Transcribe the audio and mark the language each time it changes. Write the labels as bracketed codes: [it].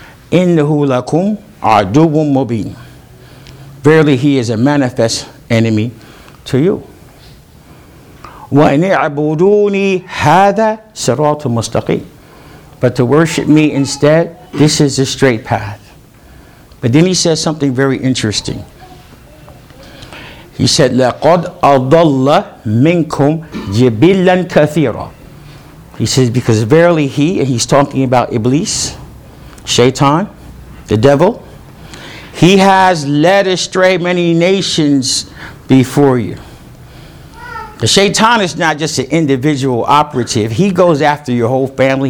[ar] Innahu lakum aduwwun mubin. [en] Verily he is a manifest enemy to you. [ar] وَإِنِ اعْبُدُونِي هَذَا صِرَاطٌ مُسْتَقِيمٌ. [en] But to worship me instead, this is the straight path. But then he says something very interesting. He said, [ar] لَقَدْ أَضَلَّ مِنْكُمْ جِبِلًا كَثِيرًا. [en] He says, because verily he, and he's talking about Iblis, Shaitan, the devil, he has led astray many nations before you. The Shaitan is not just an individual operative. He goes after your whole family.